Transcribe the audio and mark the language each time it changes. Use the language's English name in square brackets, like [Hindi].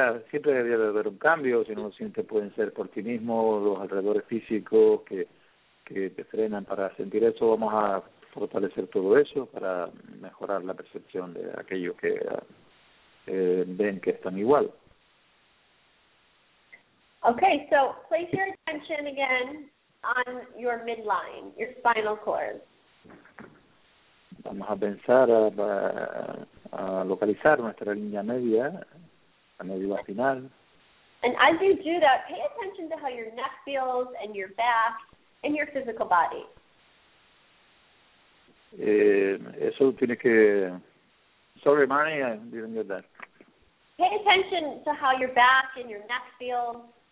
[Spanish] Siempre debería haber un cambio, si no lo sientes pueden ser por ti mismo, los alrededores físicos que te frenan para sentir eso. Vamos a fortalecer todo eso para mejorar la percepción de aquellos que ven que están igual. [English] Okay, so place your attention again on your midline, your spinal cord. [Spanish] Vamos a pensar a localizar nuestra línea media, la médula espinal. [English] And as you do that, pay attention to how your neck feels and your back and your physical body. [Spanish] Eso tiene que... [English] Sorry, Manny, I didn't get that. Pay attention to how your back and your neck feels.